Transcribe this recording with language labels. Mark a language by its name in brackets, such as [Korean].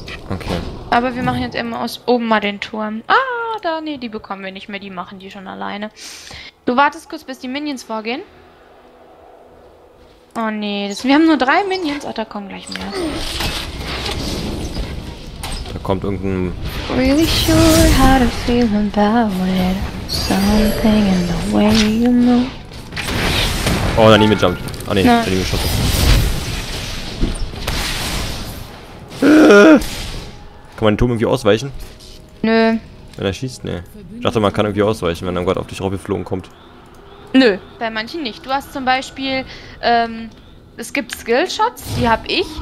[German] Okay. Aber wir machen jetzt immer aus oben mal den Turm. Ah, da, nee, die bekommen wir nicht mehr. Die machen die schon alleine. Du wartest kurz, bis die Minions vorgehen. Oh nee, wir haben nur 3 Minions. Ach, da kommen gleich mehr. Da kommt irgendein. [English] Really sure how to feel about it. Something in the way you move. [German] Oh, daneben gejumpt. Ah nee, daneben geschossen. Kann man den Turm irgendwie ausweichen? Nö. Wenn er schießt, nee. Ich dachte, man kann irgendwie ausweichen, wenn er gerade auf dich raufgeflogen kommt. Nö, bei manchen nicht. Du hast zum Beispiel, es gibt Skillshots, die hab ich.